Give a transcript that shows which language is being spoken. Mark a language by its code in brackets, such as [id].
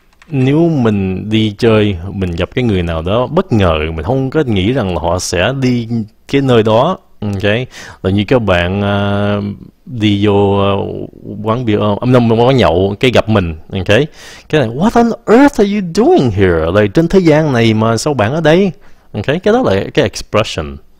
[vi] Nếu mình đi chơi, mình gặp cái người nào đó bất ngờ, mình không có nghĩ rằng là họ sẽ đi cái nơi đó. Okay. Là như các bạn đi vô quán bia, quán nhậu, cái gặp mình. Okay. Cái này, [en] what on earth are you doing here? [vi] Là trên thế gian này mà sao bạn ở đây? Okay. Cái đó là cái expression.